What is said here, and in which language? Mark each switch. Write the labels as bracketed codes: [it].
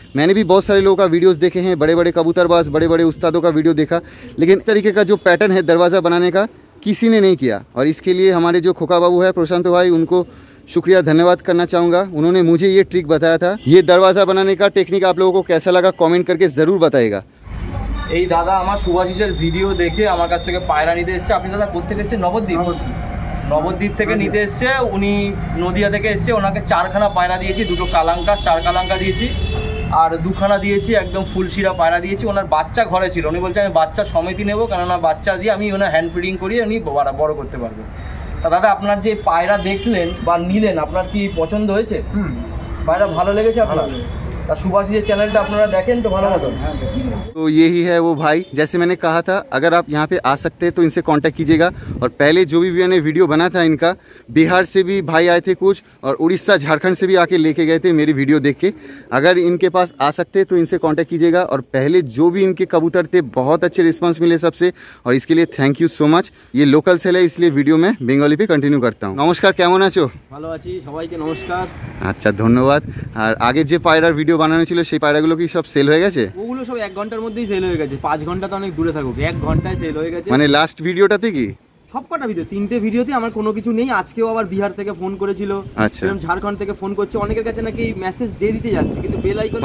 [hi] मैंने भी बहुत सारे लोगों का वीडियोस देखे हैं, बड़े बड़े कबूतरबाज, बड़े बड़े उस्तादों का वीडियो देखा, लेकिन इस तरीके का जो पैटर्न है दरवाज़ा बनाने का, किसी ने नहीं किया। और इसके लिए हमारे जो खोखा बाबू है, प्रशांत भाई, उनको शुक्रिया धन्यवाद करना चाहूँगा, उन्होंने मुझे ये ट्रिक बताया था। ये दरवाज़ा बनाने का टेक्निक आप लोगों को कैसा लगा कमेंट करके ज़रूर बताएगा। [bn] এই দাদা আমার শুভাশিসের ভিডিও দেখে আমার কাছ থেকে পায়রা নিতে এসছে। আপনি দাদা কোথা থেকে এসছে? নবদ্বীপ। নবদ্বীপ থেকে নিতে এসছে, উনি নদিয়া থেকে এসছে। ওনাকে চারখানা পায়রা দিয়েছি, দুটো কালাঙ্কা স্টার কালাঙ্কা দিয়েছি আর দুখানা দিয়েছি একদম ফুলশিরা পায়রা দিয়েছি। ওনার বাচ্চা ঘরে ছিল, উনি বলছে আমি বাচ্চা সমিতি নেবো, কেননা বাচ্চা দিয়ে আমি ওনার হ্যান্ড ফিডিং করিয়ে উনি বড় করতে পারবো। তা দাদা আপনার যে পায়রা দেখলেন বা নিলেন, আপনার কি পছন্দ হয়েছে? পায়রা ভালো লেগেছে আপনার? [hi] तो यही है वो भाई, जैसे मैंने कहा था अगर आप यहाँ पे आ सकते हैं तो इनसे कांटेक्ट कीजिएगा। और पहले जो भी मैंने वीडियो बना था इनका, बिहार से भी भाई आए थे कुछ और उड़ीसा झारखंड से भी आके लेके गए थे मेरी वीडियो देख के, अगर इनके पास आ सकते हैं तो इनसे कांटेक्ट कीजिएगा। और पहले जो भी इनके कबूतर थे बहुत अच्छे रिस्पॉन्स मिले सबसे, और इसके लिए थैंक यू सो मच। ये लोकल सेल है इसलिए वीडियो में बंगाली पे कंटिन्यू करता हूँ। [bn] नमस्कार, कैमन आचो? ভালো আছি, সবাইকে নমস্কার। আচ্ছা ধন্যবাদ। আর আগে যে পায়রার ভিডিও বানানো ছিল সেই পায়রাগুলো কি সব সেল হয়ে গেছে? ওগুলো সব এক ঘন্টার মধ্যেই সেল হয়ে গেছে, পাঁচ ঘন্টা তো অনেক দূরে থাকুক, এক ঘন্টায় সেল হয়ে গেছে। মানে লাস্ট ভিডিওটাতে কি? সবকটা ভিডিও, তিনটে ভিডিওতে আমার কোনো কিছু নেই। আজকেও আবার বিহার থেকে ফোন করেছিল, ঝাড়খণ্ড থেকে ফোন করছে, অনেকের কাছে নাকি মেসেজ দেরিতে যাচ্ছে, কিন্তু বেল আইকন